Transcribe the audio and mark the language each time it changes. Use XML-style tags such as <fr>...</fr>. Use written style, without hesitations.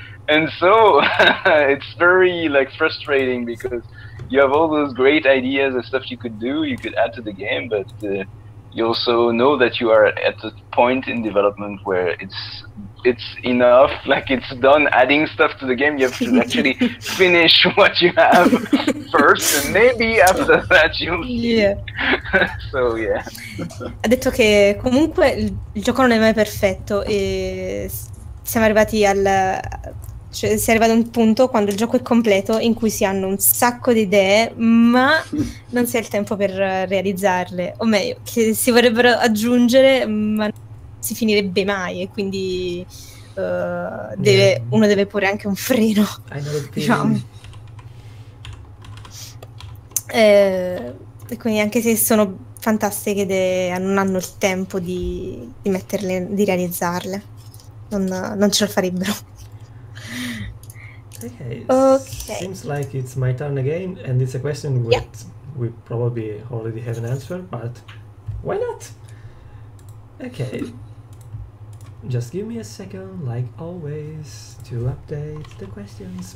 <en>And so it's very like frustrating because you have all those great ideas and stuff you could do, you could add to the game, but you also know that you are at a point in development where it's enough, like it's done adding stuff to the game. You have to actually finish what you have first, and maybe after that you'll see. Yeah. So yeah.</en> <it>Ha detto che comunque il gioco non è mai perfetto e siamo arrivati al. Cioè, si arriva ad un punto quando il gioco è completo in cui si hanno un sacco di idee, ma non si ha il tempo per realizzarle. O meglio, che si vorrebbero aggiungere, ma si finirebbe mai, e quindi deve, uno deve porre anche un freno, diciamo. E quindi anche se sono fantastiche idee, non hanno il tempo di metterle, di realizzarle, non ce lo farebbero.</it> <en>Okay. Seems like it's my turn again, and it's a question which we probably already have an answer, but why not? Okay, just give me a second, like always, to update the questions.</en>